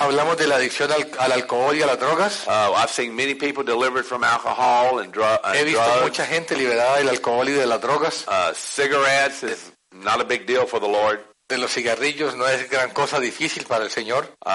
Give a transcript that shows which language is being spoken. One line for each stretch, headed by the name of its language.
Spanish: Hablamos de la adicción al alcohol y a las drogas.
English: I've seen many people delivered from alcohol and drugs.
Spanish: He visto mucha gente liberada del alcohol y de las drogas.
English: Cigarettes is not a big deal for the Lord.
Spanish: De los cigarrillos no es gran cosa difícil para el Señor.